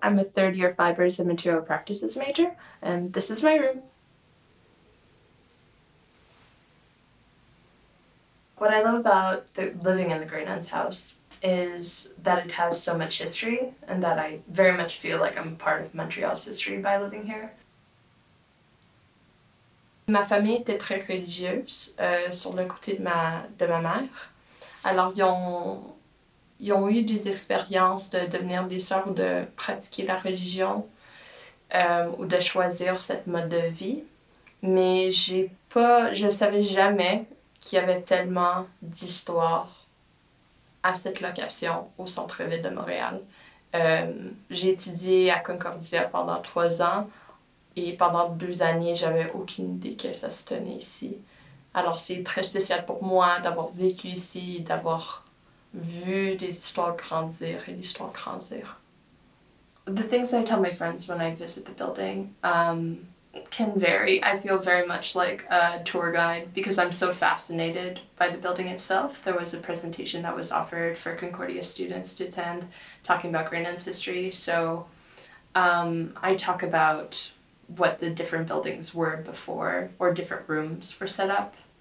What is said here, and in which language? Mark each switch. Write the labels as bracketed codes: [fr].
[en] I'm a third year fibers and material practices major, and this is my room. What I love about living in the Grey Nuns house is that it has so much history and that I very much feel like I'm part of Montreal's history by living here. [fr] Ma famille était très religieuse sur le côté de ma mère. Alors, ils ont eu des expériences de devenir des sœurs ou de pratiquer la religion ou de choisir cette mode de vie. Mais je savais jamais qu'il y avait tellement d'histoire à cette location au centre-ville de Montréal. J'ai étudié à Concordia pendant 3 ans et pendant 2 années, j'avais aucune idée que ça se tenait ici. Alors, c'est très spécial pour moi d'avoir vécu ici, d'avoir vu des histoires grandir et l'histoire grandir. [en] The things I tell my friends when I visit the building can vary. I feel very much like a tour guide because I'm so fascinated by the building itself. There was a presentation that was offered for Concordia students to attend talking about Grey Nuns history. So I talk about what the different buildings were before or different rooms were set up.